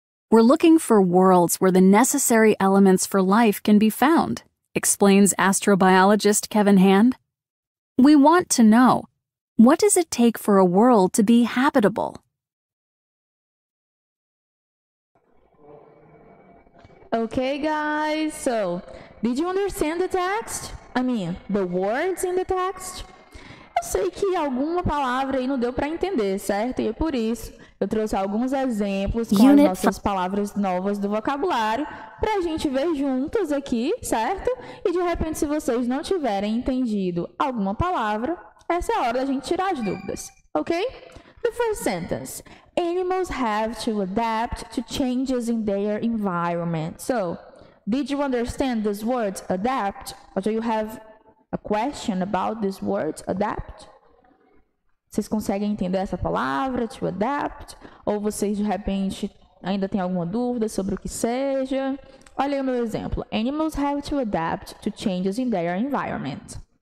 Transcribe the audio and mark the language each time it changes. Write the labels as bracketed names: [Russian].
[English] We're looking for worlds where the necessary elements for life can be found, explains astrobiologist Kevin Hand. We want to know, what does it take for a world to be habitable? Okay, guys, so did you understand the text? I mean, the words in the text? [Portuguese] Eu sei que alguma palavra aí não deu para entender, certo? E é por isso eu trouxe alguns exemplos com Unit as nossas palavras novas do vocabulário para a gente ver juntas aqui, certo? E de repente, se vocês não tiverem entendido alguma palavra, essa é a hora da gente tirar as dúvidas, ok? [English] The first sentence. Animals have to adapt to changes in their environment. So, Did you understand these words, adapt? Or do you have a question about these words, adapt? [Portuguese] Vocês conseguem entender essa palavra, to adapt? Ou vocês, de repente, ainda têm alguma dúvida sobre o que seja? Olha aí o meu exemplo. [English] Animals have to adapt to changes in their environment.